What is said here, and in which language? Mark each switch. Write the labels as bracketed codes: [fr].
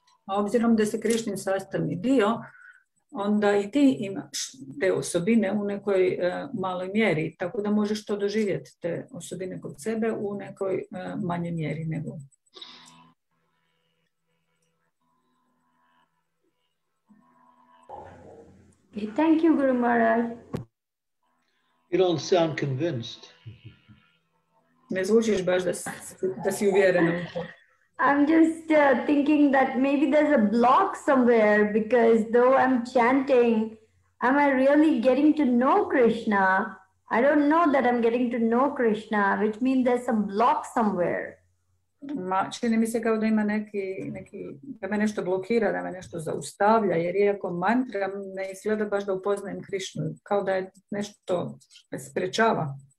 [hr] Obzirom da se Krišnin sastavni dio, onda I ti imaš te osobine u nekoj maloj mjeri, tako da možeš to doživjeti, te osobine kod sebe u nekoj manjoj mjeri nego. [en] Okay, thank you, Guru Maharaj. You don't sound convinced. [hr] Ne zvučiš baš da si uvjerena u to. [en] I'm just thinking that maybe there's a block somewhere because though I'm chanting, am I really getting to know Krishna? I don't know that I'm getting to know Krishna, which means there's some block somewhere. [hr] Ma, čini mi se kao da ima neki, da me nešto blokira, da me nešto zaustavlja, jer iako mantram ne izgleda baš da upoznajem Krišnu, kao da je nešto sprečava.